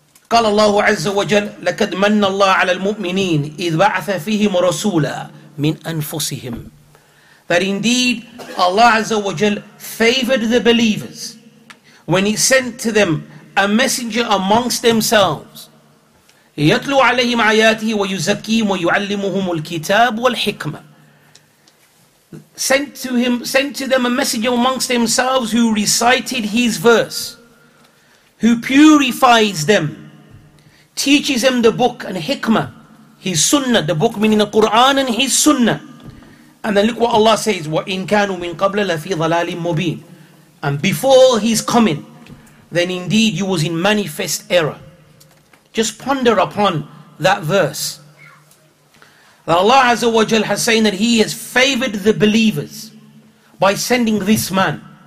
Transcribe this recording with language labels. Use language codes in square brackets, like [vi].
[ar] قال الله عز وجل لَكَدْ مَنَّ اللَّهُ عَلَى الْمُؤْمِنِينَ إِذْ بَعَثَ فِيهِمْ رَسُولًا مِنْ أَنفُسِهِمْ. [en] That indeed Allah Azza wa Jal favored the believers when he sent to them a messenger amongst themselves. [ar] يتلو عليهم آياته ويزكيهم ويعلمهم الكتاب والحكمة. [en] Sent to them a messenger amongst themselves who recited his verse, who purifies them, teaches them the book and hikmah, his sunnah, the book meaning the Quran and his sunnah. And then look what Allah says, [ar] وَإِن كَانُوا مِن قَبْلَ لَفِي ظَلَالٍ مُبِينٍ. [en] And before his coming, then indeed you was in manifest error. Just ponder upon that verse. That Allah Azza wa Jal has saying that He has favored the believers by sending this man.